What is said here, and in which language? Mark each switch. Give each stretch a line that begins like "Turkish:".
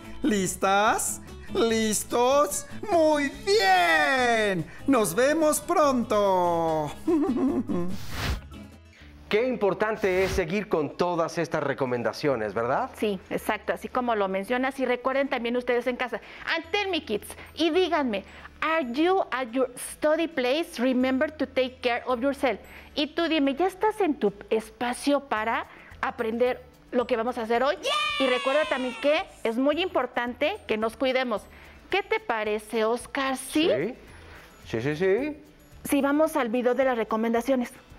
Spanish: ¿Listas? ¿Listos? ¡Muy bien! ¡Nos vemos pronto! Qué importante es seguir con todas estas recomendaciones, ¿verdad? Sí, exacto. Así como lo mencionas, y recuerden también ustedes en casa.
English: And tell me, kids,
Spanish: y díganme,
English: are you at your study place? Remember to take care of yourself.
Spanish: Y tú dime, ¿ya estás en tu espacio para aprender lo que vamos a hacer hoy?
English: Yes.
Spanish: Y recuerda también que es muy importante que nos cuidemos. ¿Qué te parece, Oscar? ¿Sí? Sí, sí, sí. Sí, vamos al video de las recomendaciones.